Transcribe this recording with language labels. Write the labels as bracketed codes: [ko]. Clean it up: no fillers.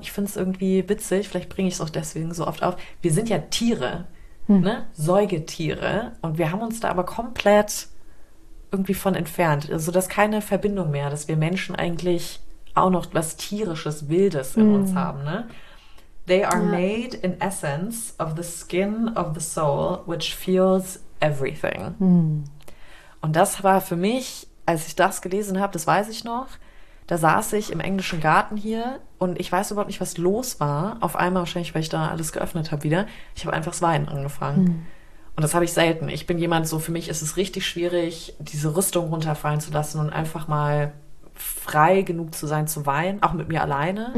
[de] Ich finde es irgendwie witzig. Vielleicht bringe ich es auch deswegen so oft auf. Wir sind ja Tiere, ne? Säugetiere. Und wir haben uns da aber komplett irgendwie von entfernt. Also das ist keine Verbindung mehr, dass wir Menschen eigentlich auch noch was Tierisches, Wildes in uns haben, ne? [en] They are made in essence of the skin of the soul, which feels everything. [de] Und das war für mich, als ich das gelesen habe, das weiß ich noch, da saß ich im englischen Garten hier und ich weiß überhaupt nicht, was los war. Auf einmal wahrscheinlich, weil ich da alles geöffnet habe wieder. Ich habe einfach das Weinen angefangen. Und das habe ich selten. Ich bin jemand, so für mich ist es richtig schwierig, diese Rüstung runterfallen zu lassen und einfach mal frei genug zu sein, zu weinen, auch mit mir alleine.